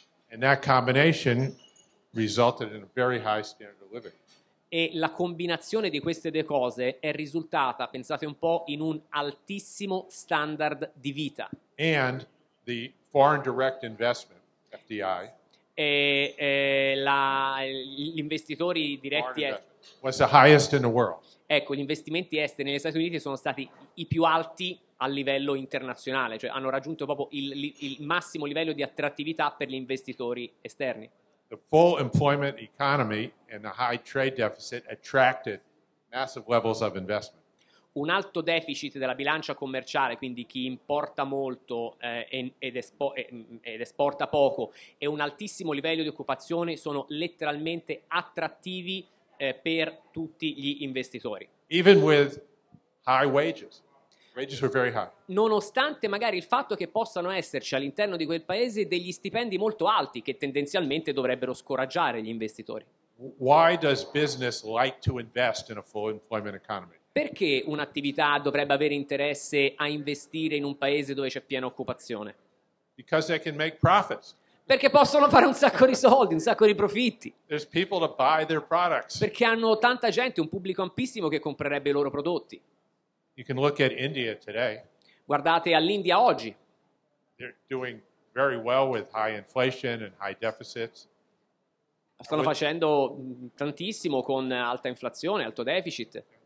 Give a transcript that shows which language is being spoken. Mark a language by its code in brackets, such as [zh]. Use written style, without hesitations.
[en] And that combination resulted in a very high standard of living. [it] E la combinazione di queste due cose è risultata, pensate un po', in un altissimo standard di vita. [en] And the foreign direct investment, FDI. [it] Gli investitori diretti [en] was the highest in the world. [it] Ecco, gli investimenti esteri negli Stati Uniti sono stati i più alti a livello internazionale, cioè hanno raggiunto proprio il massimo livello di attrattività per gli investitori esterni. [en] The full employment economy and the high trade deficit attracted massive levels of investment. [it] Un alto deficit della bilancia commerciale, quindi chi importa molto ed esporta poco, e un altissimo livello di occupazione sono letteralmente attrattivi per tutti gli investitori. [en] Even with high wages. Wages were very high. [it] Nonostante magari il fatto che possano esserci all'interno di quel paese degli stipendi molto alti che tendenzialmente dovrebbero scoraggiare gli investitori. [en] Why does business like to invest in a full employment economy? [it] Perché un'attività dovrebbe avere interesse a investire in un paese dove c'è piena occupazione? [en] Because they can make profits. [it] Perché possono fare un sacco di soldi, un sacco di profitti. [en] There's people to buy their products. [it] Perché hanno tanta gente, un pubblico ampissimo che comprerebbe i loro prodotti. [en] You can look at India today. [it] Guardate all'India oggi. [en] They're doing very well with high inflation and high deficits. [it] Stanno facendo tantissimo con alta inflazione, alto deficit.